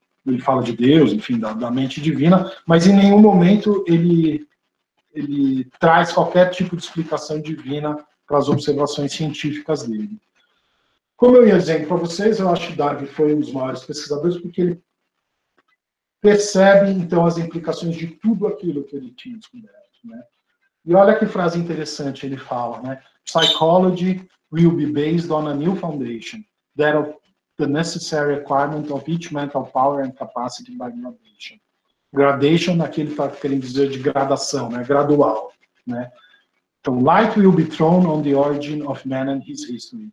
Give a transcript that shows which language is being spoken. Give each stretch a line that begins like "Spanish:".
Portuguese: Ele fala de Deus, enfim, da mente divina, mas em nenhum momento ele traz qualquer tipo de explicação divina para as observações científicas dele. Como eu ia dizendo para vocês, eu acho que Darwin foi um dos maiores pesquisadores, porque ele percebe, então, as implicações de tudo aquilo que ele tinha descoberto, né? E olha que frase interessante ele fala, né?
English: Psychology will be based on a new foundation that of the necessary requirement of each mental power and capacity by gradation.
Portuguese: Gradation, naquele que está querendo dizer de gradação, né? Gradual, né?
English: Então, light will be thrown on the origin of man and his history.